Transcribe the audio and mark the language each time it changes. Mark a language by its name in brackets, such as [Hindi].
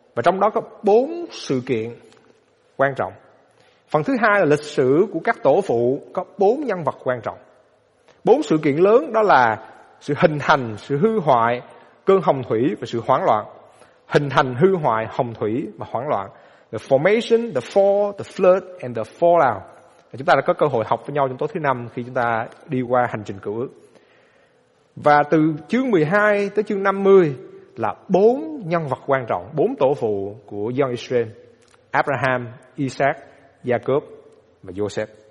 [Vietnamese] Và trong đó có 4 sự kiện quan trọng. Phần thứ hai là lịch sử của các tổ phụ, có 4 nhân vật quan trọng. 4 sự kiện lớn đó là sự hình thành, sự hư hoại, cơn hồng thủy và sự hoảng loạn. Hình thành, hư hoại, hồng thủy và hoảng loạn. [English] The formation, the fall, the flood and the fallout. [Vietnamese] Và chúng ta đã có cơ hội học với nhau trong tối thứ năm khi chúng ta đi qua hành trình cựu ước. Và từ chương 12 tới chương 50 là 4 nhân vật quan trọng, 4 tổ phụ của dân Israel: Abraham, Isaac, Jacob và Joseph.